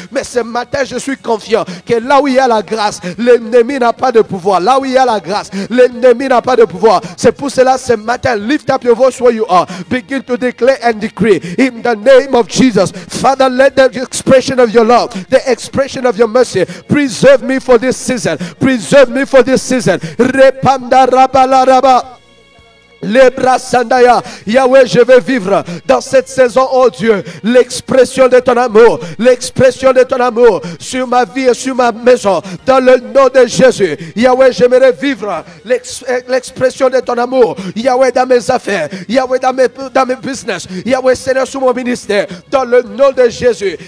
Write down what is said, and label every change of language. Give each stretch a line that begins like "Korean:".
French: Mais ce matin, je suis confiant que là où il y a la grâce, l'ennemi n'a pas de pouvoir. Là où il y a la grâce, l'ennemi n'a pas de pouvoir. C'est pour cela, ce matin,
English: lift up your voice where you are. Begin to declare and decree. In the name of Jesus, Father, let the expression of your love, the expression of your mercy, preserve me for this season. Preserve me for this season. Panda raba la raba.
French: Les bras sandaya, Yahweh, je vais vivre dans cette saison, oh Dieu, l'expression de ton amour, l'expression de ton amour sur ma vie et sur ma maison, dans le nom de Jésus. Yahweh, j'aimerais vivre l'expression de ton amour, Yahweh, dans mes affaires, Yahweh, dans mes business, Yahweh, Seigneur, sous mon ministère, dans le nom de Jésus.